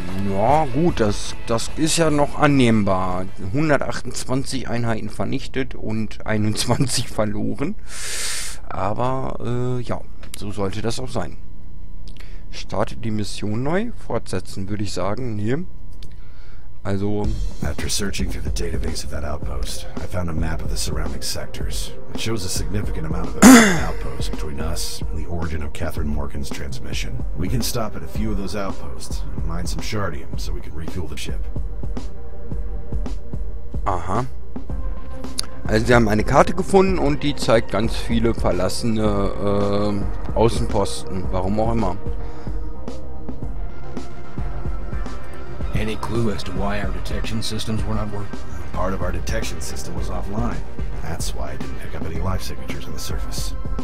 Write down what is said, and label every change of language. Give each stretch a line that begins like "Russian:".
German: Ja, gut, das ist ja noch annehmbar. 128 Einheiten vernichtet und 21 verloren. Aber, ja, so sollte das auch sein. Startet die Mission neu. Fortsetzen, würde ich sagen. Hier. Also.
English: After searching through the database of that outpost, I found a map of the surrounding sectors. It shows a significant amount of outposts between us and the origin of Catherine Morgan's transmission. We can stop at a few of those outposts and mine some shardium so we can refuel the ship. Aha.
German: Also sie haben eine Karte gefunden und die zeigt ganz viele verlassene Außenposten. Warum auch immer.
English: Any clue as to why our detection systems were not working? Part of our detection system was offline. That's why I didn't pick up any life signatures on the surface.